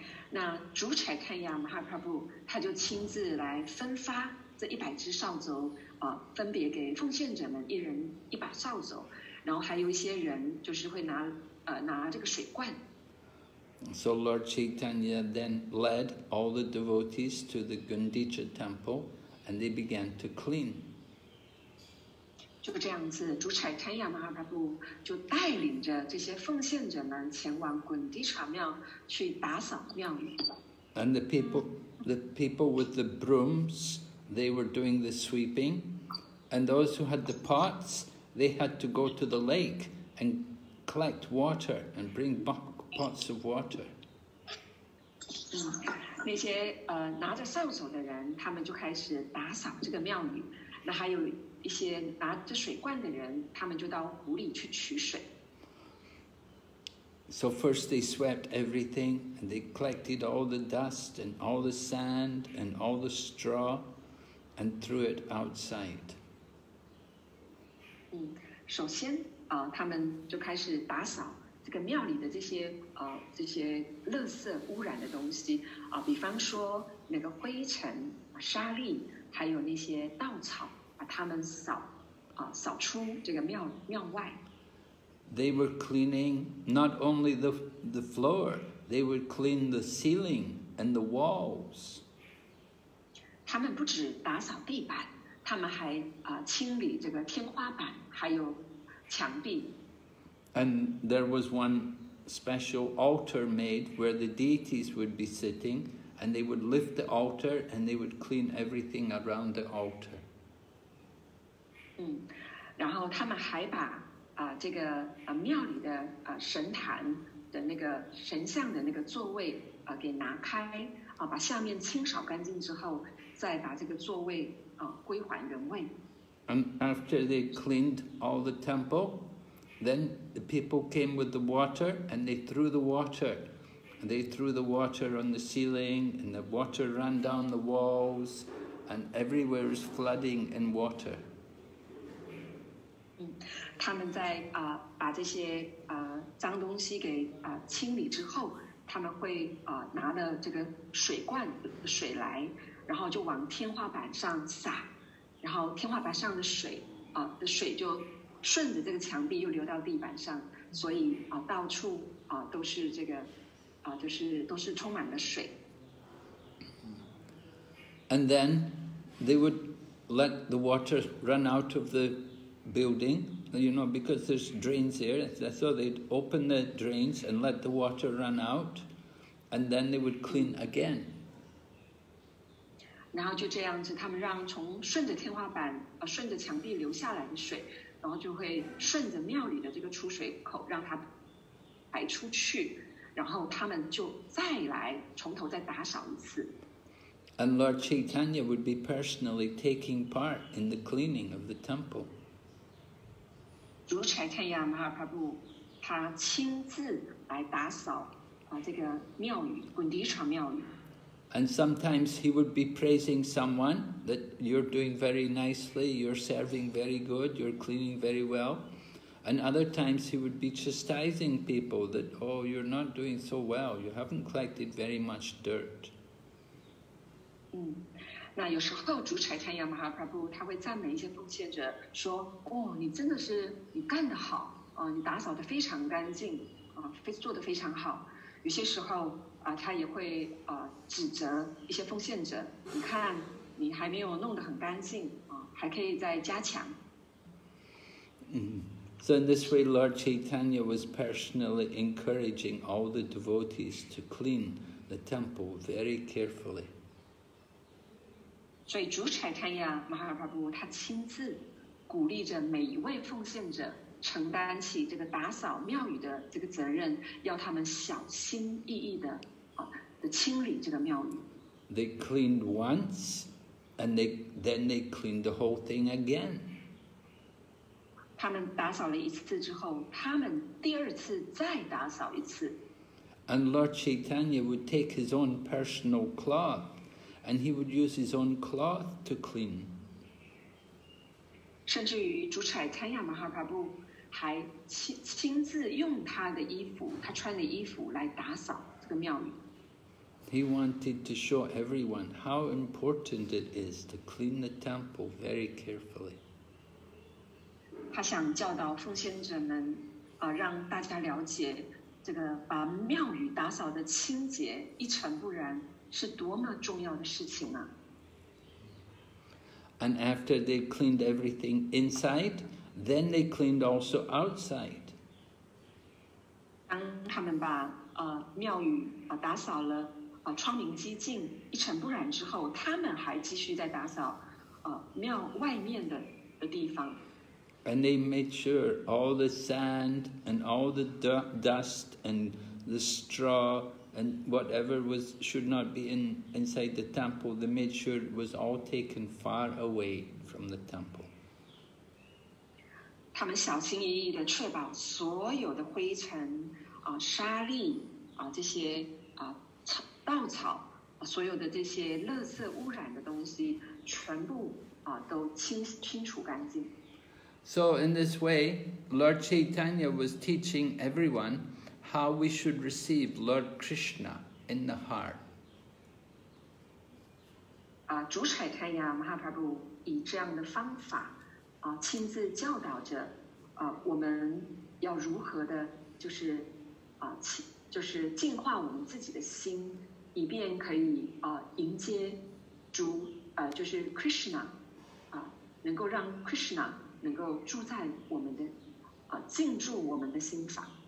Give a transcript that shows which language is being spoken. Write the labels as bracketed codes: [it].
[zh] 那主柴堪亚马哈帕布他就亲自来分发这一百只扫帚、分别给奉献者们一人一把扫帚，然后还有一些人就是会 拿这个水罐。 [en] So Lord Chaitanya then led all the devotees to the Gundicha temple and they began to clean. [zh] 就这样子，主柴堪亚马哈帕布就带领着这些奉献者们前往滚地茶庙去打扫庙宇。 [en] And the people with the brooms, they were doing the sweeping. And those who had the pots, they had to go to the lake and collect water and bring buckets. Pots of water. [zh] 那些、拿着扫帚的人，他们就开始打扫这个庙宇。那还有一些拿着水罐的人，他们就到湖里去取水。 [en] So first they swept everything, and they collected all the dust and all the sand and all the straw, and threw it outside. [zh] 首先、他们就开始打扫。这个庙里的这些、这些垃圾污染的东西、比方说那个灰尘、沙粒，还有那些稻草，把它们扫、扫出这个庙外。 [en] They were cleaning not only the floor, they would clean the ceiling and the walls. [zh] 他们不止打扫地板，他们还、清理这个天花板，还有墙壁。 [en] And there was one special altar made where the deities would be sitting, and they would lift the altar and they would clean everything around the altar. [zh] 然后他们还把、这个、庙里的、神坛的那个神像的那个座位、给拿开、把下面清扫干净之后，再把这个座位、归还原位。 [en] And after they cleaned all the temple,Then the people came with the water and they threw the water. And they threw the water on the ceiling and the water ran down the walls and everywhere was flooding in water. [zh] 他们在、把这些、脏东西给、清理之后，他们会、拿了这个水罐水来，然后就往天花板上洒，然后天花板上的水、的水就顺着这个墙壁又流到地板上，所以、到处、都是这个、就是都是充满了水。 [en] And then they would let the water run out of the building, you know, because there's drains here. So they'd open the drains and let the water run out, and then they would clean again. [zh] 然后就这样子，他们让从顺着天花板、顺着墙壁流下来的水。然后就会顺着庙里的这个出水口让它排出去，然后他们就再来从头再打扫一次。 [en] And Lord Chaitanya would be personally taking part in the cleaning of the temple. [zh] 主柴堪亚马哈帕布他亲自来打扫、这个庙宇，滚迪查庙宇。 [en] And sometimes he would be praising someone that you're doing very nicely, you're serving very good, you're cleaning very well. And other times he would be chastising people that, oh, you're not doing so well, you haven't collected very much dirt. [zh] 那有时候主柴堪亚马哈帕布他会赞美一些奉献者说，哦，你真的是你干得好，你打扫得非常干净，非做得非常好。有些时候他也会指责一些奉献者，你看你还没有弄得很干净还可以再加强。 [en] So in this way, Lord Chaitanya was personally encouraging all the devotees to clean the temple very carefully. So, Lord Chaitanya Mahaprabhu, he [zh] 亲自鼓励着每一位奉献者承担起这个打扫庙宇的这个责任，要他们小心翼翼的清理这个庙宇。 [en] They cleaned once, and then they cleaned the whole thing again. [zh] 他们打扫了一次之后，他们第二次再打扫一次。 [en] And Lord Chaitanya would take his own personal cloth, and he would use his own cloth to clean. [zh] 甚至于主差参亚马哈帕布还亲自用他的衣服，他穿的衣服来打扫这个庙宇。 [en] He wanted to show everyone how important it is to clean the temple very carefully. [zh] 他想教导奉献者们让大家了解这个把庙宇打扫的清洁一尘不染是多么重要的事情啊。 [en] And after they cleaned everything inside, then they cleaned also outside. [zh] 当他们把庙宇打扫了窗明几净一尘不染之后，他们还继续在打扫庙外面的地方。 [en] And they made sure all the sand and all the dust and the straw and whatever was should not be inside the temple, they made sure it was all taken far away from the temple. [zh] 他们小心翼翼地确保所有的灰尘、沙粒、这些、稻草、所有的这些垃圾污染的东西全部、都 清除干净。 [en] So in this way, Lord Chaitanya was teaching everyone how we should receive Lord Krishna in the heart. [zh] 主差参亚马哈帕布以这样的方法亲自教导着我们要如何的就是净化我们自己的心，以便可以迎接主就是 Krishna 能够让 Krishna能够住在我们的进驻我们的心房。